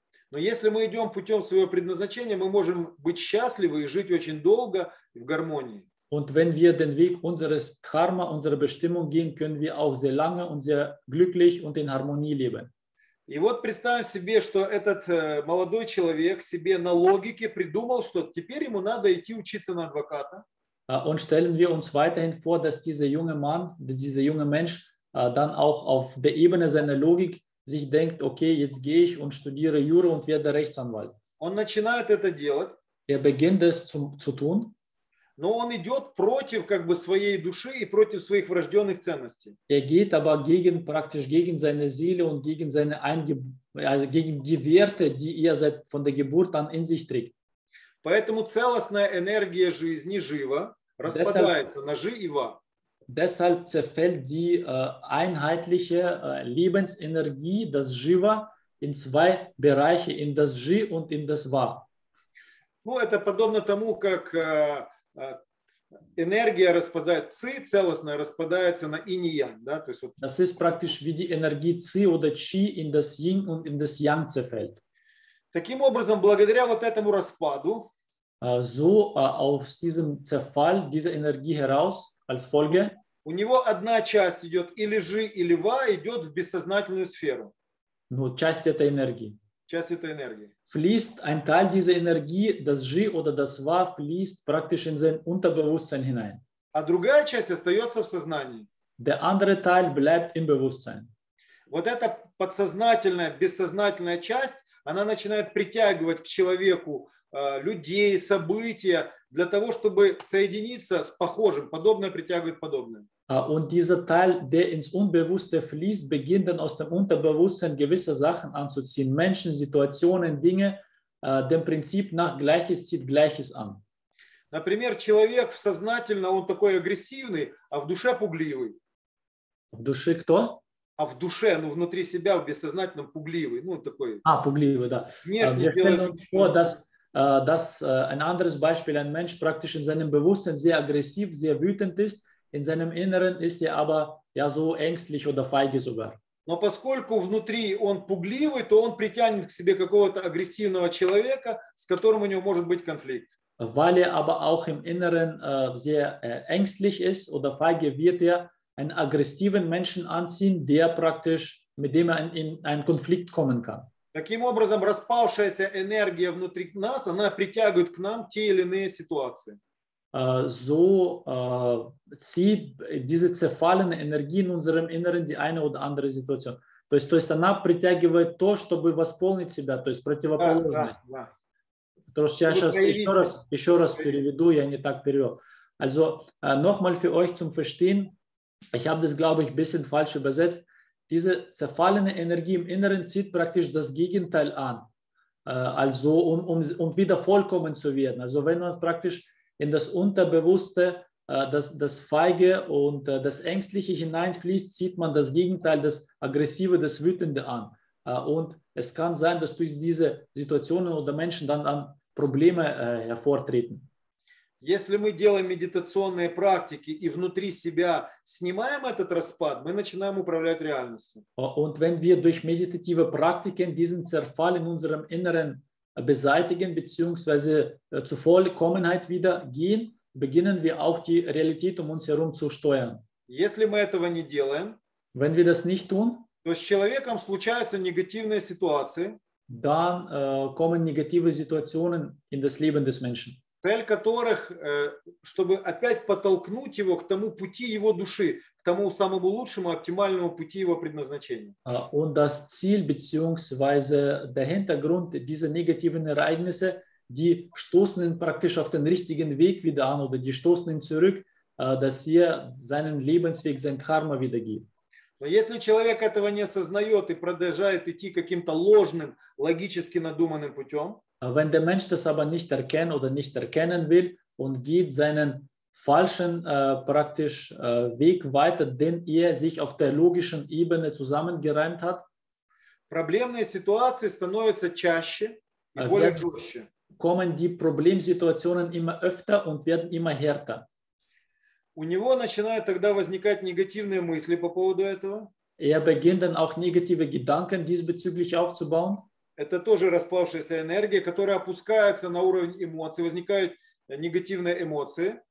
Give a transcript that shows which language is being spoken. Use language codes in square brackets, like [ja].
[ru] Но если мы идем путем своего предназначения, мы можем быть счастливы и жить очень долго в гармонии. [de] Und wenn wir den Weg unseres Dharma, unserer Bestimmung gehen, können wir auch sehr lange und sehr glücklich und in Harmonie leben. [ru] И вот представим себе, что этот молодой человек себе на логике придумал, что теперь ему надо идти учиться на адвоката. [de] Und stellen wir uns weiterhin vor, dass dieser junge Mann, dieser junge Mensch dann auch auf der Ebene seiner Logik sich denkt, okay, jetzt gehe ich und studiere Jura und werde Rechtsanwalt. [ru] Он начинает это делать. [de] Er beginnt es zu tun. [ru] Но он идет против как бы своей души и против своих врожденных ценностей. [de] Er geht aber gegen, praktisch gegen seine Seele und gegen seine gegen die Werte, die er seit von der Geburt an in sich trägt. [ru] Поэтому целостная энергия жизни жива распадается на жи и ва. [de] Deshalb zerfällt die einheitliche Lebensenergie, das Jiva, in zwei Bereiche, in das Ji und in das Va. [ru] Ну, это подобно тому, как энергия распадает, Ци целостная распадается на Инь и Ян. Да? То есть, вот, [de] das ist praktisch wie die Energie Ци oder Чи in das Yin und in das Yang zerfällt. [ru] Таким образом, благодаря вот этому распаду, [de] aus diesem Zerfall dieser Energie heraus, als Folge, [ru] у него одна часть идет или жи, или ва, идет в бессознательную сферу. Ну, часть этой энергии. Часть этой энергии. [de] Fließt ein Teil dieser Energie, das жи oder das ва, fließt praktisch in sein Unterbewusstsein hinein. [ru] А другая часть остается в сознании. [de] Der andere Teil bleibt im Bewusstsein. [ru] Вот эта подсознательная, бессознательная часть, она начинает притягивать к человеку людей, события, для того, чтобы соединиться с похожим. Подобное притягивает подобное. [de] Und dieser Teil, der ins Unbewusste fließt, beginnt dann aus dem Unterbewusstsein gewisse Sachen anzuziehen. Menschen, Situationen, Dinge, dem Prinzip nach Gleiches zieht Gleiches an. [ru] Например, человек сознательно, он такой агрессивный, а в душе пугливый. В душе кто? А в душе, ну внутри себя, в бессознательном пугливый. Ну такой. А, пугливый, да. Внешне делает... [de] Dass ein anderes Beispiel, ein Mensch praktisch in seinem Bewusstsein sehr aggressiv, sehr wütend ist, in seinem Inneren ist er aber ja so ängstlich oder feige sogar. [ru] Но поскольку внутри он пугливый, то он притянет к себе какого-то агрессивного человека, с которым у него может быть конфликт. [de] Weil er aber auch im Inneren sehr ängstlich ist oder feige, wird er einen aggressiven Menschen anziehen, der praktisch, mit dem er in einen Konflikt kommen kann. [ru] Таким образом, распавшаяся энергия внутри нас, она притягивает к нам те или иные ситуации. [de] So zieht diese zerfallene Energie in unserem Inneren die eine oder andere Situation. [ru] То есть она притягивает то, чтобы восполнить себя, то есть противоположное. Да. То, что я сейчас еще раз переведу, я не так перевел. [de] Also, nochmal für euch zum Verstehen, ich habe das, glaube ich, ein bisschen falsch übersetzt. Diese zerfallene Energie im Inneren zieht praktisch das Gegenteil an, also um wieder vollkommen zu werden. Also wenn man praktisch in das Unterbewusste, das Feige und das Ängstliche hineinfließt, zieht man das Gegenteil, das Aggressive, das Wütende an. Und es kann sein, dass durch diese Situationen oder Menschen dann Probleme hervortreten. [ru] Если мы делаем медитационные практики и внутри себя снимаем этот распад, мы начинаем управлять реальностью. [de] Und wenn wir durch meditative Praktiken diesen Zerfall in unserem Inneren beseitigen bzw. zur Vollkommenheit wieder gehen, beginnen wir auch die Realität um uns herum zu steuern. [ru] Если мы этого не делаем, [de] wenn wir das nicht tun, [ru] то с человеком случаются негативные ситуации, [de] dann kommen negative Situationen in das Leben des Menschen. [ru] Цель которых, чтобы опять подтолкнуть его к тому пути его души, к тому самому лучшему, оптимальному пути его предназначения. [de] Und das Ziel bzw. der Hintergrund dieser negativen Ereignisse, die stoßen ihn praktisch auf den richtigen Weg wieder an oder die stoßen ihn zurück, dass er seinen Lebensweg, sein Karma wiedergibt. [ru] Но если человек этого не осознает и продолжает идти каким-то ложным, логически надуманным путем, [de] wenn der Mensch das aber nicht erkennen oder nicht erkennen will und geht seinen falschen praktisch Weg weiter, den er sich auf der logischen Ebene zusammengereimt hat, [ru] проблемные ситуации становятся чаще и более жестче. [de] Kommen die Problemsituationen immer öfter und werden immer härter. [ru] У него начинают тогда возникать негативные мысли по поводу этого. [de] Er beginnt dann auch negative Gedanken diesbezüglich aufzubauen. [ru] Это тоже распавшаяся энергия, которая опускается на уровень эмоций, возникают негативные эмоции.